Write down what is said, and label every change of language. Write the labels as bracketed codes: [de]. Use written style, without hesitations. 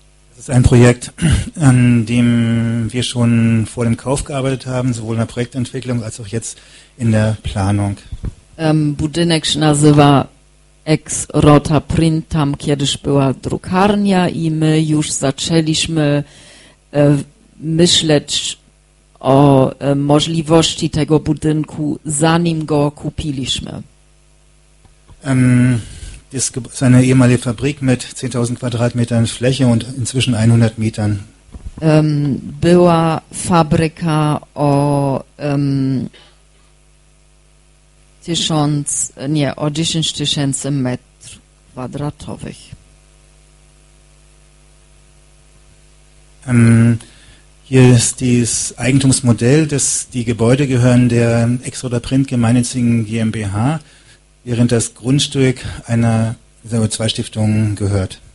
[de] Das ist ein Projekt, an dem wir schon vor dem Kauf gearbeitet haben, sowohl in der Projektentwicklung als auch jetzt in der Planung. [pl] Budynek się nazywa Ex Rota Print, tam kiedyś była drukarnia i my już zaczęliśmy myśleć o możliwości tego budynku, zanim go kupiliśmy. [de] Das ist eine ehemalige Fabrik mit 10.000 Quadratmetern Fläche und inzwischen 100 Metern. [pl] Była fabryka o 10.000 Meter Quadratowych. [de] Hier ist das Eigentumsmodell, dass die Gebäude gehören der Ex Rota Print gemeinnützigen GmbH. Während das Grundstück einer zwei Stiftungen gehört.